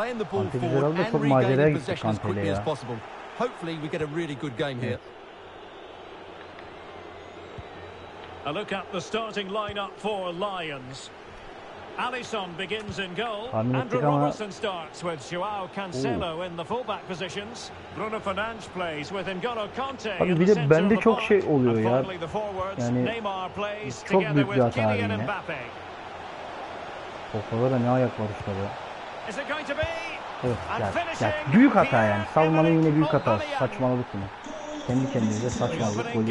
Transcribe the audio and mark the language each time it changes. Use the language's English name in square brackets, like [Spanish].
[Turkish] Kante güzel aldı, çok maceraya gitti Kante'yle ya. [English] Hopefully we get a really good game here. A look at the starting lineup for Lions. Alisson begins in goal. Andrew Robertson starts with João Cancelo in the fullback positions. Bruno Fernandes plays with N'Golo Kanté. [Turkish] Abi bir de bende çok şey oluyor ya. Yani çok büyük bir hata yine. Toplara ne ayak var işte bu. [English] Is it going to be? [Turkish] Evet, gel. Büyük hata yani. Salman'ın yine büyük hata. Saçmaladık yine. Kendi kendimize saçmaladık.